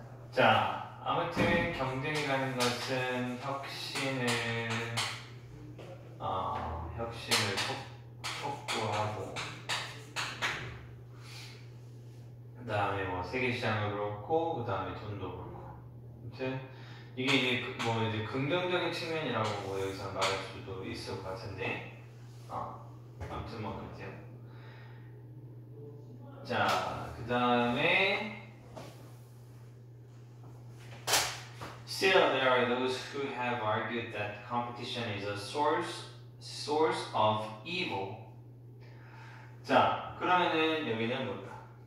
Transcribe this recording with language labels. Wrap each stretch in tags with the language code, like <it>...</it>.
<ko>자. 아무튼 경쟁이라는 것은 혁신을 촉구하고 그다음에 뭐 세계 시장도 그렇고 그다음에 돈도 그렇고 아무튼 이게 이제 뭐 이제 긍정적인 측면이라고 뭐 여기서 말할 수도 있을 것 같은데 아무튼 뭐 그렇대요. 자, 그다음에</ko> <en>Still, there are those who have argued that competition is a source of evil.</en> <ko>자, 그러면은 여기는 뭘까?</ko>